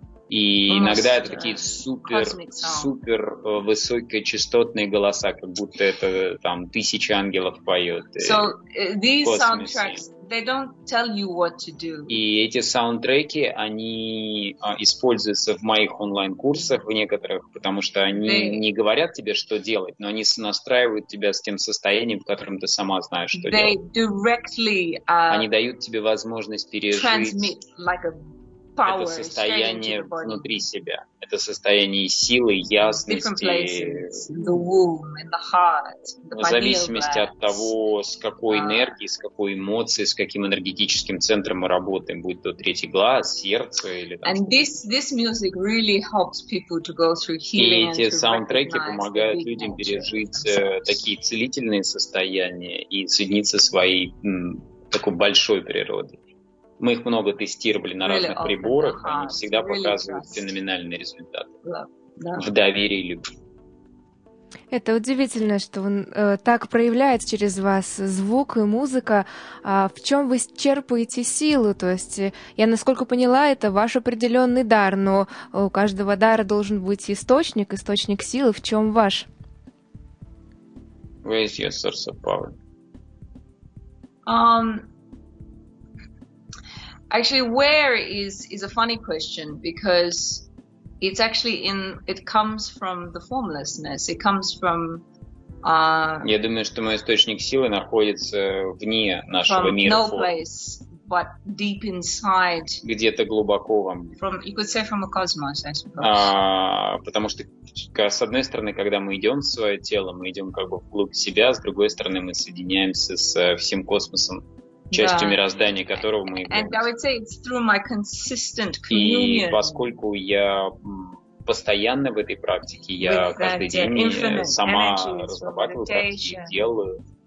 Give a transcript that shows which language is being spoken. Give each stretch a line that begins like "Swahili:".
Russian: И иногда это такие супер высокие частотные голоса, как будто это там тысячи ангелов поет.
English: So these soundtracks, they don't tell you what to do.
Russian: И эти саундтреки, они используются в моих онлайн-курсах в некоторых, потому что они не говорят тебе, что делать, но они настраивают тебя с тем состоянием, в котором ты сама знаешь, что
English: they
Russian: делать.
English: Directly,
Russian: они дают тебе возможность пережить.
English: Transmit, like a...
Russian: Это состояние внутри себя, это состояние силы, ясности, в зависимости от того, с какой энергией, с какой эмоцией, с каким энергетическим центром мы работаем, будь то третий глаз, сердце или там.
English: And this music really helps people to go through healing.
Russian: И эти саундтреки помогают людям пережить такие целительные состояния и соединиться своей такой большой природой. Мы их много тестировали на разных приборах, они всегда показывают феноменальный результат в доверии и любви. Это удивительно, что он так проявляет через вас звук и музыка. А в чем вы черпаете силу? То есть, я насколько поняла, это ваш определенный дар, но у каждого дара должен быть источник, источник силы. В чем ваш?
English: Where is your source of power? Actually, where is a funny question because it's actually in it comes from the formlessness. It comes from.
Russian: Я думаю, что мой источник силы находится вне нашего мира.
English: From no place, but deep inside.
Russian: Где-то глубоко во мне.
English: From you could say from a cosmos, I suppose.
Russian: Потому что с одной стороны, когда мы идем в свое тело, мы идем как бы вглубь себя, с другой стороны, мы соединяемся с всем космосом. Частью мироздания, которого мы являемся. И поскольку я постоянно в этой практике, я каждый день сама разрабатываю практики, делаю.